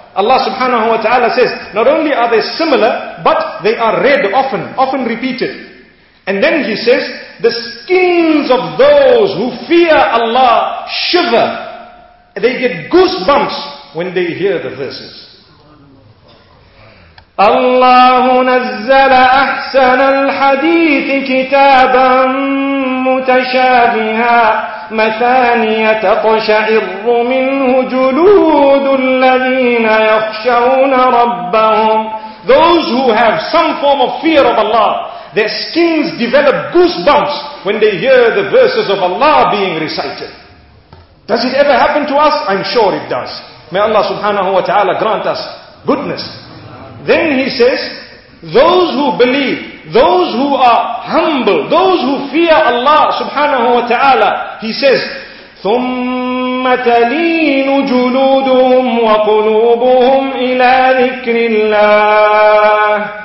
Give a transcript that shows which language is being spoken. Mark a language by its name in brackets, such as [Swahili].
[English] Allah subhanahu wa ta'ala says, not only are they similar, but they are read often, often repeated. And then He says, the skins of those who fear Allah shiver. They get goosebumps when they hear the verses. [Arabic] Allah نزل أحسن الحديث كتابا متشابها مثانية تقشعر منه جلود الذين يخشون ربهم. [English] Those who have some form of fear of Allah, their skins develop goosebumps when they hear the verses of Allah being recited. Does it ever happen to us? I'm sure it does. May Allah subhanahu wa ta'ala grant us goodness. Then He says, those who believe, those who are humble, those who fear Allah subhanahu wa ta'ala, He says, [Arabic] ثُمَّ تَلِينُ جُلُودُهُمْ وَقُلُوبُهُمْ إِلَىٰ ذِكْرِ اللَّهِ.